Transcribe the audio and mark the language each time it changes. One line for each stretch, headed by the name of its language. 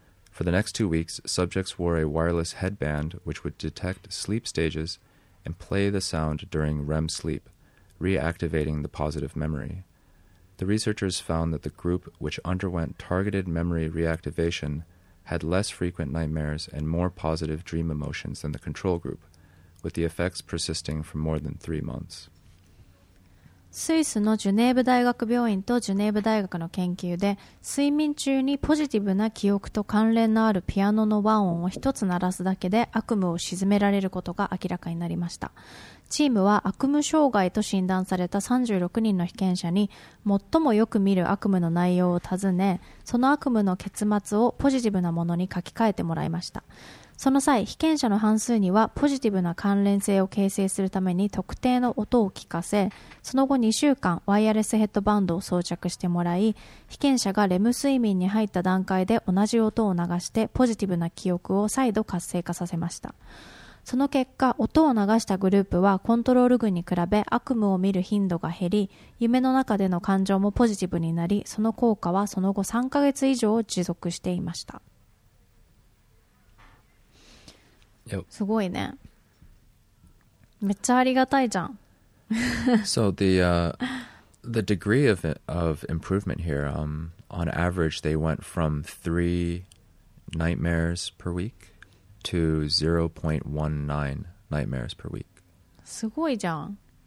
English: For the next 2 weeks, subjects wore a wireless headband which would detect sleep stages and play the sound during REM sleep, reactivating the positive memory. The researchers found that the group which underwent targeted memory reactivation had less frequent nightmares and more positive dream emotions than the control group, with the effects persisting for more than 3 months.
Japanese: スイスのジュネーブ大学病院とジュネーブ大学の研究で、睡眠中にポジティブな記憶と関連のあるピアノの和音を一つ鳴らすだけで悪夢を鎮められることが明らかになりました。チームは悪夢障害と診断された36人の被験者に最もよく見る悪夢の内容を尋ね、その悪夢の結末をポジティブなものに書き換えてもらいました。その際、被験者の半数にはポジティブな関連性を形成するために特定の音を聞かせ、その後2週間ワイヤレスヘッドバンドを装着してもらい、被験者がレム睡眠に入った段階で同じ音を流してポジティブな記憶を再度活性化させました。その結果、音を流したグループはコントロール群に比べ悪夢を見る頻度が減り、夢の中での感情もポジティブになり、その効果はその後3ヶ月以上持続していました。
English: Yep.
Japanese: すごいね。めっちゃありがたいじゃん。
English: So the degree of improvement here, on average they went from 3 nightmares per week to 0.19 nightmares per week.
Japanese: すごいじゃん。